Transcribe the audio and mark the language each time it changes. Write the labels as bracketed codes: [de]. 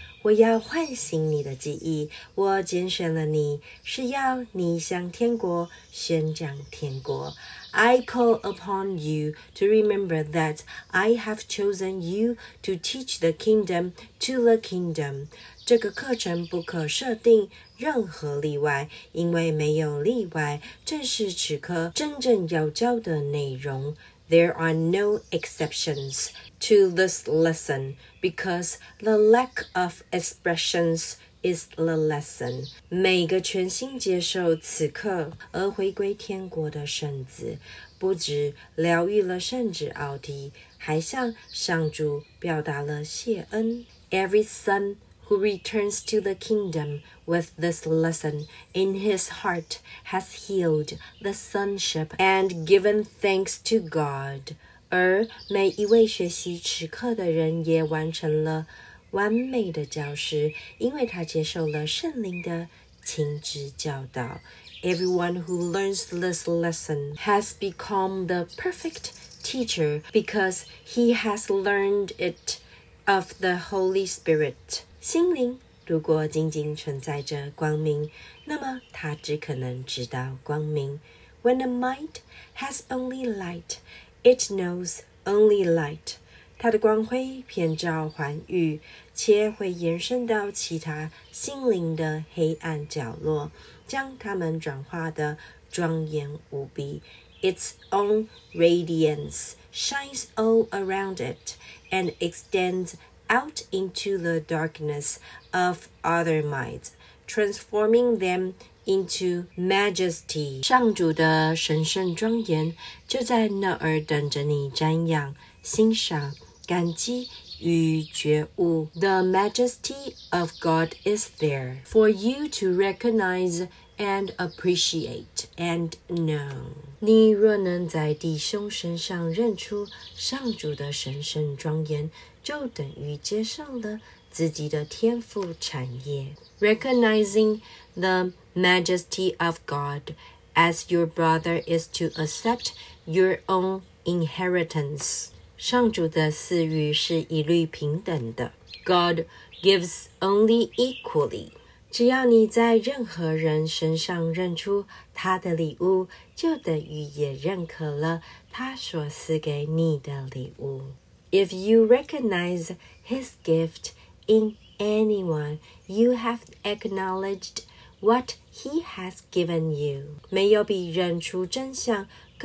[zh] 我要唤醒你的记忆，我拣选了你，是要你向天国宣讲天国。 [en] I call upon you to remember that I have chosen you to teach the kingdom to the kingdom. [zh] 这个课程不可设定任何例外，因为没有例外，正是此刻真正要教的内容。 [en] There are no exceptions to this lesson, because the lack of expressions is the lesson. [zh] 每个全心接受此刻而回归天国的圣子，不止疗愈了圣子奥迪，还向上主表达了谢恩。 [en] Every son who returns to the kingdom with this lesson in his heart has healed the sonship and given thanks to God. [zh] 而每一位学习此课的人也完成了完美的教师，因为他接受了圣灵的亲自教导。 [en] Everyone who learns this lesson has become the perfect teacher because he has learned it of the Holy Spirit. [zh] 心灵如果仅仅存在着光明，那么他只可能知道光明。 [en] When a mind has only light,It knows only light. [zh] 它的光辉遍照寰宇，且会延伸到其他心灵的黑暗角落，将它们转化得庄严无比。 [en] Its own radiance shines all around it and extends out into the darkness of other minds, transforming them. Into majesty. [zh] 上主的神圣庄严就在那儿等着你瞻仰、欣赏、感激与觉悟。 [en] The majesty of God is there for you to recognize and appreciate and know. [zh] 你若能在弟兄身上认出上主的神圣庄严，就等于接受了自己的天父产业。 [en] Recognizing the majesty of God as your brother is to accept your own inheritance. [zh] 上主的赐予是一律平等的。 [en] God gives only equally. [zh] 只要你在任何人身上认出他的礼物，就等于也认可了他所赐给你的礼物。 [en] If you recognize his gift in anyone, you have acknowledged what he has given you. [zh] 没有比认出真相更